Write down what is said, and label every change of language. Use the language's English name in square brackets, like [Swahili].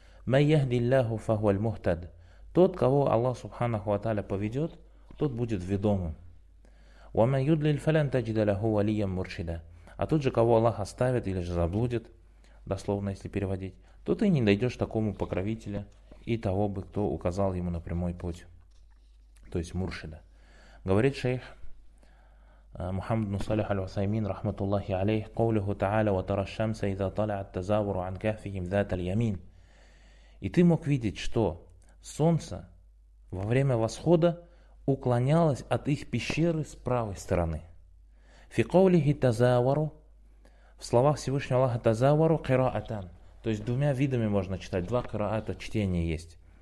[Arabic] «Мэй яхди Аллаху фахуаль мухтад», [Russian] тот, кого Аллах Субханаху ва Тааля поведет, тот будет ведомым. [Arabic] «Вамэй юдлил фалян таджида лаху валиям муршида», [Russian] а тот же, кого Аллах оставит или же заблудит, дословно если переводить, то ты не найдешь такому покровителя и того бы, кто указал ему на прямой путь, то есть муршида. Говорит шейх Мухаммад бин Салих Аль-Усаймин рахматуллахи алейх, [Arabic] قوله تعالى: وترى الشمس إذا طلعت تزاور عن كهفهم ذات اليمين. [Russian] И ты мог видеть, что солнце во время восхода уклонялось от их пещеры с правой стороны. [Arabic] في قوله تزاور, [Russian] в словах Всевышнего Аллаха [Arabic] تزاور قراءتان, [Russian] то есть двумя видами можно читать, два قراءتа чтения есть.